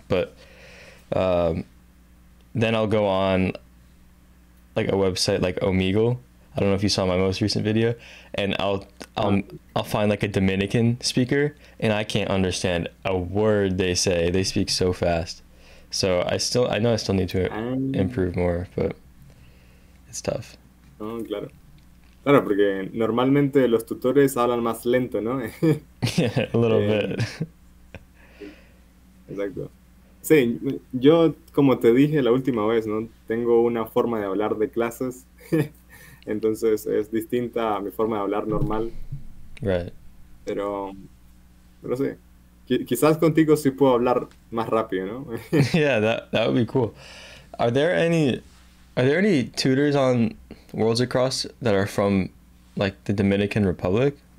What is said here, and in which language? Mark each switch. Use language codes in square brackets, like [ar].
[en] But then I'll go on like a website like Omegle. I don't know if you saw my most recent video, and I'll find like a Dominican speaker, and I can't understand a word they say. They speak so fast. So I still need to improve more, but it's tough. [es] Oh, claro. Claro, porque normalmente los tutores hablan más lento, ¿no? [en] Yeah, a little bit. [es] Exacto. Sí, yo, como te dije la última vez, ¿no? Tengo una forma de hablar de clases. Entonces es distinta a mi forma de hablar normal. [en] Right. [es] Pero sí. Quizás contigo sí puedo hablar más rápido, ¿no? [en] Yeah, that would be cool. Are there any tutors on Worlds Across that are from like the Dominican Republic?